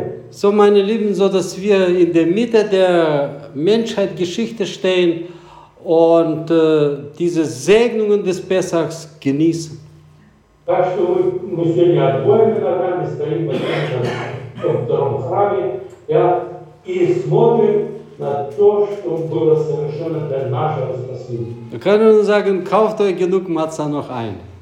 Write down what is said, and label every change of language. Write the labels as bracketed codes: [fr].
[de] So, meine Lieben, so dass wir in der Mitte der Menschheitsgeschichte stehen und diese Segnungen des Pessachs genießen. [ru] Так что мы сегодня обоими ногами стоим в этом втором храме и смотрим на то, что было совершено для нашего спасения. [de] Wir können sagen, kauft euch genug Matza noch ein.